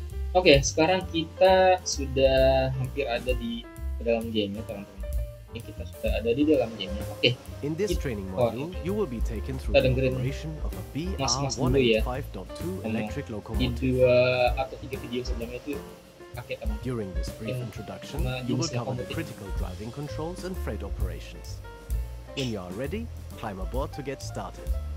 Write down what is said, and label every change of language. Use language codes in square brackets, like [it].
[id] Oke, sekarang kita sudah hampir ada di dalam game-nya teman-teman. Ini kita sudah ada di dalam game-nya. Oke. [en] In this training module, you will be taken through the operation of a BR185.2 electric locomotive. [id] Atau 3 video sebelumnya itu pakai teman. [en] During this brief introduction, you will cover the critical driving controls and freight operations. When you are ready, climb aboard to get started.